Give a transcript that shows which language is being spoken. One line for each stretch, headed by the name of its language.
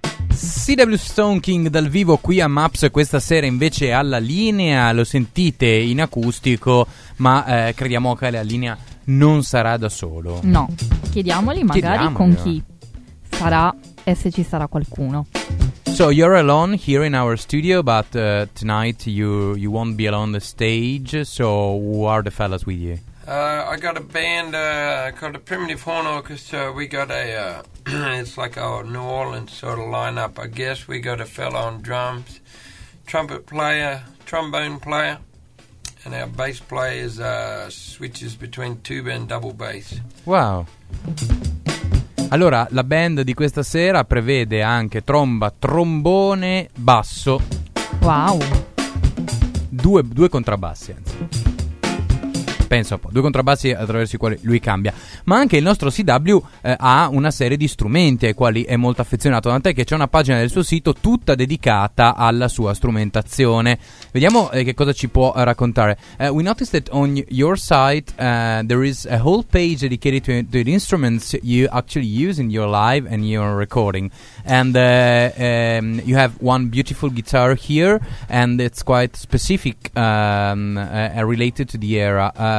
Italian: CW Stone King dal vivo qui a MAPS questa sera invece alla linea, lo sentite in acustico, ma crediamo che la linea non sarà da solo. No, chiediamoli magari con chi sarà e se ci sarà qualcuno.
English: So you're alone here in our studio, but tonight you won't be alone on the stage, so who are the fellas with you? I got a band called the Primitive Horn Orchestra. We got a, it's like our New Orleans sort of lineup, I guess. We got a fellow on drums, trumpet player, trombone player, and our bass player is, switches between tuba and double bass. Wow.
Italian: Allora, la band di questa sera prevede anche tromba, trombone, basso. Wow. Due contrabbassi, anzi. Penso un po', due contrabbassi attraverso i quali lui cambia. Ma anche il nostro CW ha una serie di strumenti ai quali è molto affezionato, tant'è che c'è una pagina del suo sito tutta dedicata alla sua strumentazione. Vediamo che cosa ci può raccontare.
English: We noticed that on your site there is a whole page dedicated to the instruments you actually use in your live and your recording. And you have one beautiful guitar here, and it's quite specific related to the era.